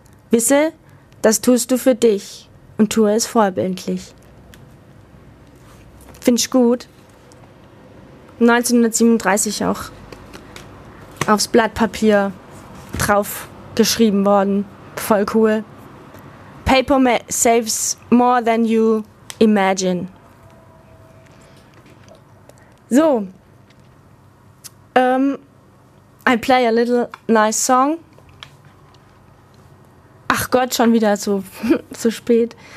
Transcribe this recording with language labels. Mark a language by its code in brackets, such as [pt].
[de] Wisse, das tust du für dich und tue es vorbildlich. Find ich gut. 1937 auch aufs Blatt Papier drauf geschrieben worden. Voll cool. [en] Paper saves more than you imagine. So. I play a little nice song. [de] Ach Gott, schon wieder so, so spät.